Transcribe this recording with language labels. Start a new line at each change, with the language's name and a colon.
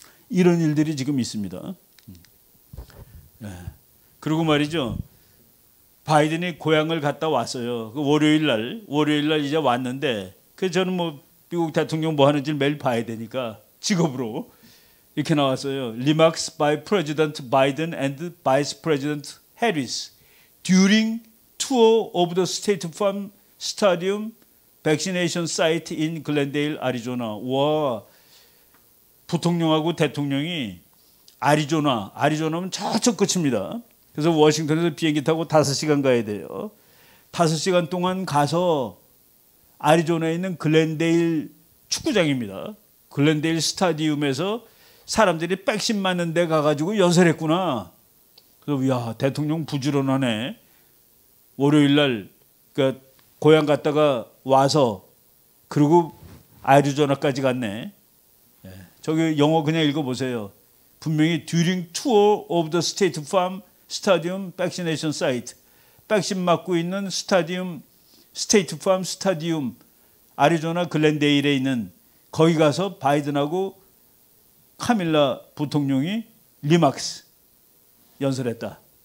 Korean: 이런 일들이 지금 있습니다. 네. 그리고 말이죠. 바이든이 고향을 갔다 왔어요. 그 월요일 날 이제 왔는데 그 저는 뭐 미국 대통령 뭐 하는지 매일 봐야 되니까 직업으로 이렇게 나왔어요.
English: Remarks by President Biden and Vice President Harris during tour of the State Farm Stadium vaccination site in Glendale, Arizona.
Korean: 와, 부통령하고 대통령이 아리조나면 저쪽 끝입니다. 그래서 워싱턴에서 비행기 타고 5시간 가야 돼요. 5시간 동안 가서 아리조나에 있는 글렌데일 축구장입니다. 글렌데일 스타디움에서 사람들이 백신 맞는 데 가가지고 연설했구나. 그래서 야, 대통령 부지런하네. 월요일 날 그러니까 고향 갔다가 와서 그리고 아리조나까지 갔네. 예, 저기 영어 그냥 읽어보세요. 분명히
English: during tour of the state farm stadium vaccination site.
Korean: 백신 맞고 있는 스타디움, 스테이트 팜 스타디움, 아리조나 글렌데일에 있는 거기 가서 바이든하고 카밀라 부통령이 리마크스 연설했다.